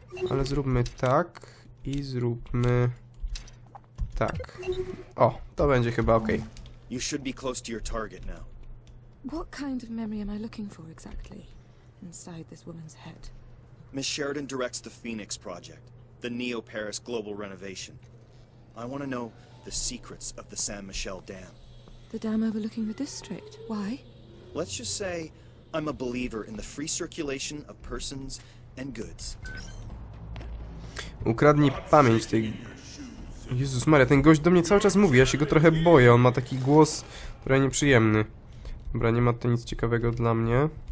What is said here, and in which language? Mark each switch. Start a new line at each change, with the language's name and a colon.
Polish: Ale zróbmy tak i zróbmy tak. O, to będzie chyba okej.
English: You should be close to your target now. What kind of memory am I looking for exactly inside this woman's head? Miss Sheridan directs the Phoenix Project, the Neo Paris global renovation. I want to know the secrets of the San Michel Dam. The dam overlooking the district. Why? Let's just say I'm a believer in the free circulation of persons and goods.
Polish: Ukradnij pamięć tej. Jezus Maria, ten gość do mnie cały czas mówi. Ja się go trochę boję. On ma taki głos trochę nieprzyjemny. Dobra, nie ma to nic ciekawego dla mnie.